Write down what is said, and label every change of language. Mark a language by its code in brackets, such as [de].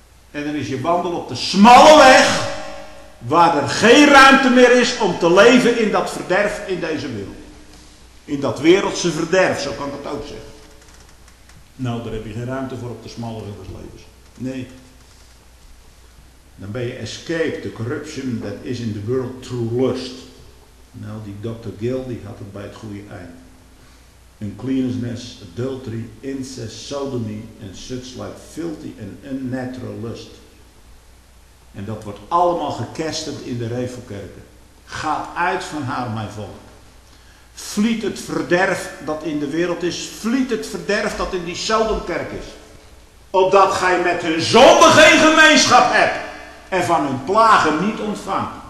[nl] En dan is je wandel op de smalle weg, waar er geen ruimte meer is om te leven in dat verderf in deze wereld. In dat wereldse verderf, zo kan ik het ook zeggen. Nou, daar heb je geen ruimte voor op de smalle weg des levens. Nee. Dan ben je [en] escaped the corruption that is in the world through lust. [nl] Nou, die Dr. Gill, die had het bij het goede eind. [en] Uncleanness, adultery, incest, sodomy and such like filthy and unnatural lust. [nl] En dat wordt allemaal gekesterd in de Reformkerken. Ga uit van haar, mijn volk. Vliet het verderf dat in de wereld is. Vliet het verderf dat in die Sodomkerk is. Opdat gij met hun zonde geen gemeenschap hebt. En van hun plagen niet ontvangt.